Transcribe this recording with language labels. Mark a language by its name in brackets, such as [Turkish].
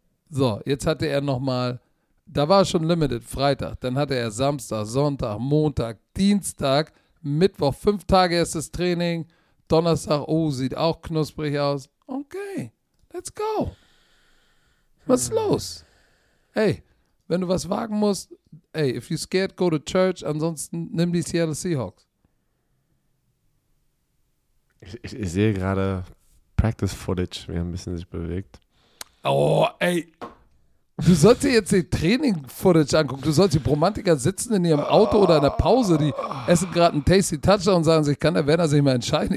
[German] So, jetzt hatte er nochmal, da war schon limited, Freitag, dann hatte er Samstag, Sonntag, Montag, Dienstag, Mittwoch, 5 Tage erstes Training, Donnerstag, sieht auch knusprig aus. [English] Okay, let's go. [German] Was ist los? [English] Hey, [German] wenn du was wagen musst, [English] hey, if you're scared, go to church. [German] Ansonsten nimm die Seattle Seahawks. Ich sehe gerade Practice-Footage, wie er ein bisschen sich bewegt. Oh, ey. Du sollst dir jetzt die Training-Footage angucken. Du sollst die Bromantiker sitzen in ihrem Auto oder in der Pause. Die essen gerade einen Tasty Touchdown und sagen sich, kann der Werner sich mal entscheiden?